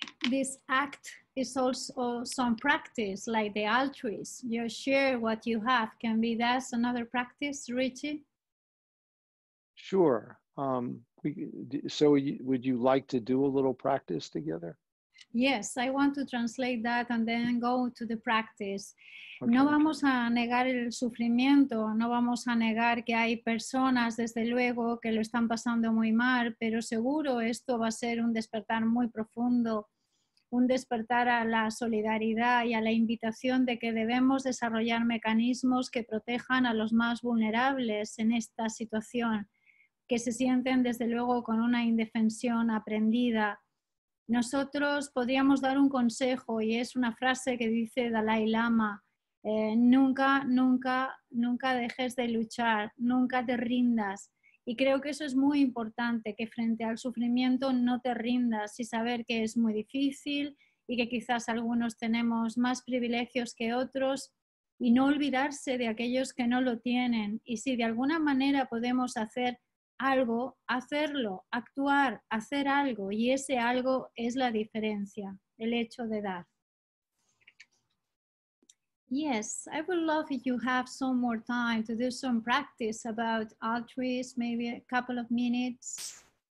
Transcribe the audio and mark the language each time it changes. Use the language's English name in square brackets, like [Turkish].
[English] This act is also some practice, like the altruist. You share what you have. Can be that's another practice, Richie? Sure. Would you like to do a little practice together? Yes, I want to translate that and then go to the practice. [Spanish] Okay. No vamos a negar el sufrimiento, no vamos a negar que hay personas, desde luego, que lo están pasando muy mal, pero seguro esto va a ser un despertar muy profundo, un despertar a la solidaridad y a la invitación de que debemos desarrollar mecanismos que protejan a los más vulnerables en esta situación, que se sienten desde luego con una indefensión aprendida. Nosotros podríamos dar un consejo y es una frase que dice Dalai Lama, nunca, nunca, nunca dejes de luchar, nunca te rindas. Y creo que eso es muy importante, que frente al sufrimiento no te rindas y saber que es muy difícil y que quizás algunos tenemos más privilegios que otros y no olvidarse de aquellos que no lo tienen. Y si de alguna manera podemos hacer algo, hacerlo, actuar, hacer algo, y ese algo es la diferencia, el hecho de dar. [English] Yes, I would love if you have some more time to do some practice about altruism, maybe a couple of minutes.